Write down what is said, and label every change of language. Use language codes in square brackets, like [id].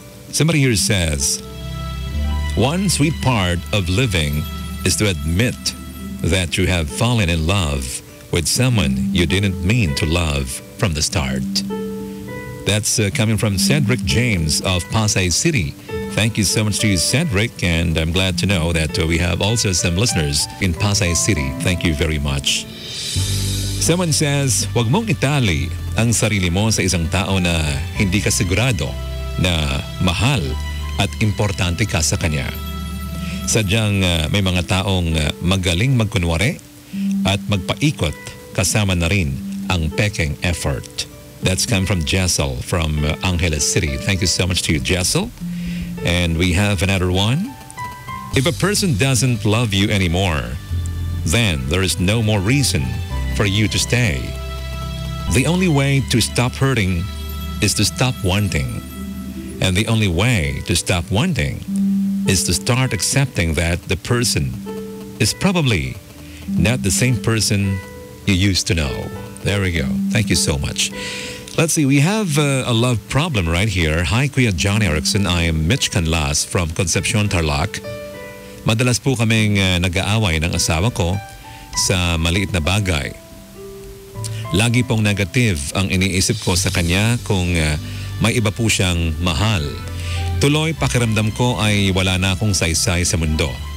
[en] Somebody here says, "One sweet part of living is to admit that you have fallen in love with someone you didn't mean to love from the start." That's coming from Cedric James of Pasay City. Thank you so much to you, Cedric, and I'm glad to know that we have also some listeners in Pasay City. Thank you very much. Someone says, [tl] "Wag mong itali ang sarili mo sa isang tao na hindi ka sigurado na mahal at importante ka sa kanya. Sadyang may mga taong magaling magkunwari at magpaikot kasama na rin ang peking effort." [en] That's come from Jessel from Angeles City. Thank you so much to you, Jessel. And we have another one. "If a person doesn't love you anymore, then there is no more reason for you to stay. The only way to stop hurting is to stop wanting. And the only way to stop wanting is to start accepting that the person is probably not the same person you used to know." There we go. Thank you so much. Let's see. We have a love problem right here. "Hi, Kuya John Ericsson. I am Mitch Canlas from Concepcion, Tarlac. [tl] Madalas po kaming nag-aaway ng asawa ko sa maliit na bagay. Lagi pong negative ang iniisip ko sa kanya kung may iba po siyang mahal. Tuloy, pakiramdam ko ay wala na akong saysay sa mundo.